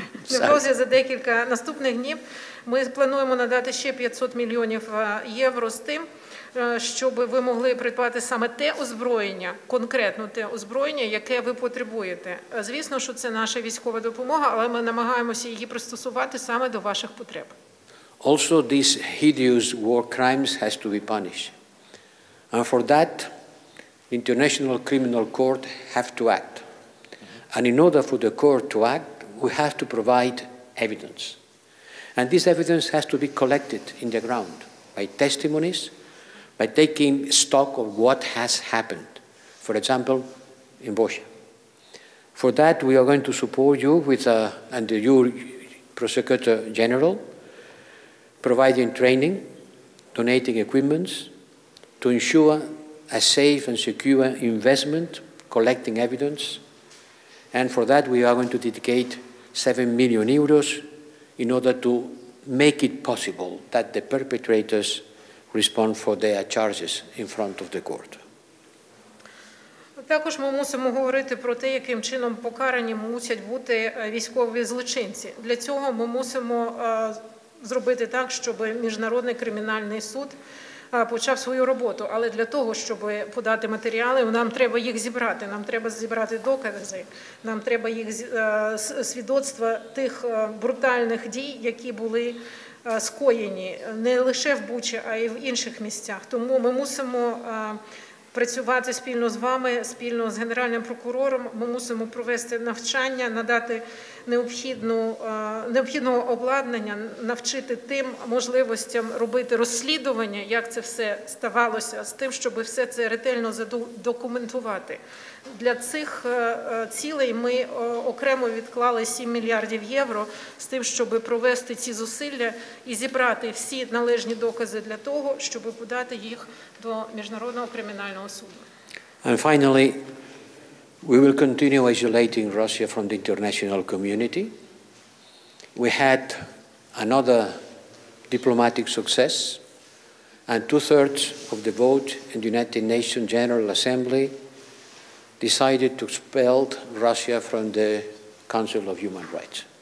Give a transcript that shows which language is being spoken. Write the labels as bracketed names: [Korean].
[Ukrainian] Невдовзі за декілька наступних днів ми плануємо надати ще 500 мільйонів євро з тим, щоб ви могли придбати саме те озброєння, конкретно те озброєння, яке ви потребуєте. Звісно, що це наша військова допомога, але ми намагаємося її пристосувати саме до ваших потреб. [English] Also, these hideous war crimes has to be punished. And for that, the International Criminal Court have to act. And in order for the court to act, we have to provide evidence. And this evidence has to be collected in the ground by testimonies, by taking stock of what has happened, for example, in Bosnia. For that, we are going to support you with and your Prosecutor General, providing training, donating equipment, to ensure a safe and secure investment, collecting evidence. And for that, we are going to dedicate 7 million euros in order to make it possible that the perpetrators respond for their charges in front of the court. [Ukrainian] Також ми мусимо говорити про те, яким чином покарані мусять бути військові злочинці. Для цього ми мусимо зробити так, щоб Міжнародний кримінальний суд почав свою роботу. Але для того, щоб подати матеріали, нам треба їх зібрати, нам треба зібрати докази, нам треба їх свідоцтва тих брутальних дій, які були скоєні не лише в Бучі, а й в інших місцях. Тому ми мусимо працювати спільно з вами, спільно з Генеральним прокурором. Ми мусимо провести навчання, надати необхідного обладнання, навчити тим можливостям робити розслідування, як це все ставалося, з тим, щоб все це ретельно задокументувати. Для цих цілей ми окремо відклали 7 мільярдів євро з тим, щоб провести ці зусилля і зібрати всі належні докази для того, щоб подати їх до Міжнародного кримінального суду. [English] And finally, we will continue isolating Russia from the international community. We had another diplomatic success, and 2/3 of the vote in the United Nations General Assembly decided to expel Russia from the Council of Human Rights.